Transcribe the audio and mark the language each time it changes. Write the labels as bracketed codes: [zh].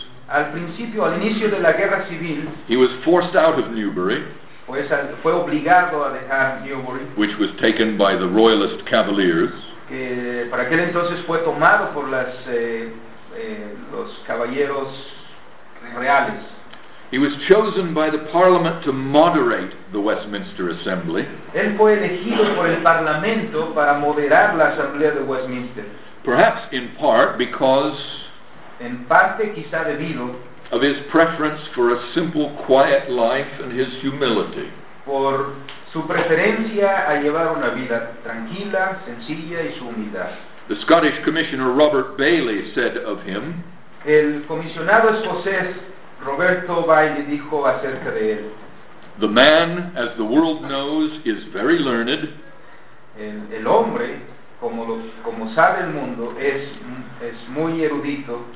[es] Al principio, al inicio de la guerra civil. [en] He was forced out of Newbury. [es] Fue obligado a dejar Newbury, [en] which was taken by the Royalist Cavaliers. [es] Que para aquel entonces fue tomado por los caballeros reales. [en] He was chosen by the Parliament to moderate the Westminster Assembly. [es] Él fue elegido por el Parlamento para moderar la Asamblea de Westminster. [en] Perhaps in part because. [es] En parte quizá debido. [en] Of his preference for a simple, quiet life and his humility. [es] Por su preferencia a llevar una vida tranquila, sencilla y su humildad. [en] The Scottish Commissioner Robert Bailey said of him. [es] El comisionado escocés Roberto Bailey dijo acerca de él. [en] The man, as the world knows, is very learned. [es] El hombre, como sabe el mundo, es muy erudito.